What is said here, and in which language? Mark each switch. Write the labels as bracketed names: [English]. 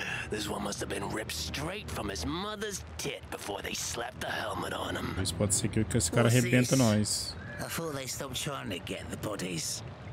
[English] This one must have been ripped straight from his mother's tit before they slapped the helmet on him. [Portuguese] Isso pode ser que esse cara arrebenta nós. [English] Before they stopped trying to get the bodies.